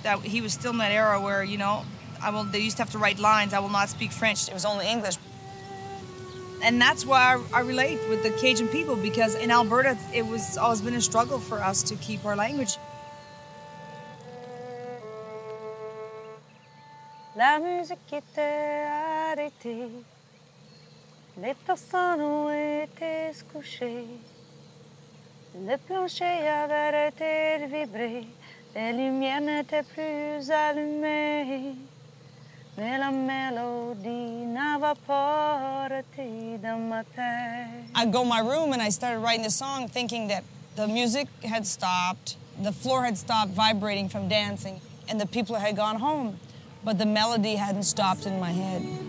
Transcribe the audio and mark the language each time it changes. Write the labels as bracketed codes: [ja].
[en] That he was still in that era where, you know, they used to have to write lines, I will not speak French, it was only English. And that's why I relate with the Cajun people, because in Alberta, it was always been a struggle for us to keep our language. [fr] La musique était arrêtée, les personnes étaient couchées, le plancher avait été vibré, les lumières n'étaient plus allumées. Mais la mélodie n'a porté dans ma tête. [en] I'd go in my room and I started writing the song thinking that the music had stopped, the floor had stopped vibrating from dancing, and the people had gone home. But the melody hadn't stopped in my head.